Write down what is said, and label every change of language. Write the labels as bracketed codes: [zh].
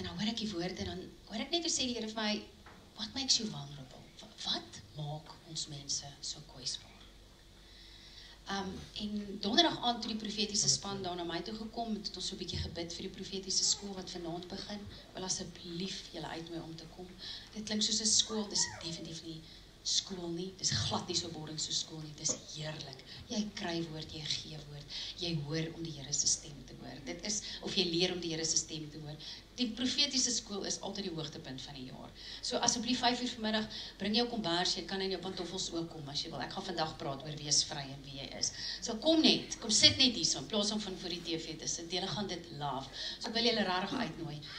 [af] En dan hoor ek die woorde en dan hoor ek net hoe sê die Here vir my, [en] what makes you vulnerable? [af] Wat maak ons mense so kwesbaar? En donderdag aand toe die profetiese span daar na my toe gekom en het ons so 'n bietjie gebid vir die profetiese skool wat vanaand begin. Wil asseblief julle uitnooi om te kom. Dit klink soos 'n skool, dis definitief nie skool nie, dis glad nie so boring so skool nie, dis heerlik, jy kry woord, jy gee woord, jy hoor om die Here se stem te hoor, dit is, of jy leer om die Here se stem te hoor, die profetiese skool is altyd die hoogtepunt van die jaar, so asseblief 5:00 vanmiddag, bring jou kombers, jy kan in jou pantoffels ook kom as jy wil, ek gaan vandag praat oor wees vry en wie jy is, so kom net, kom sit net hier so, in plaas om van voor die TV te sit, jy gaan dit laaf, so wil jy hulle rarig uitnooi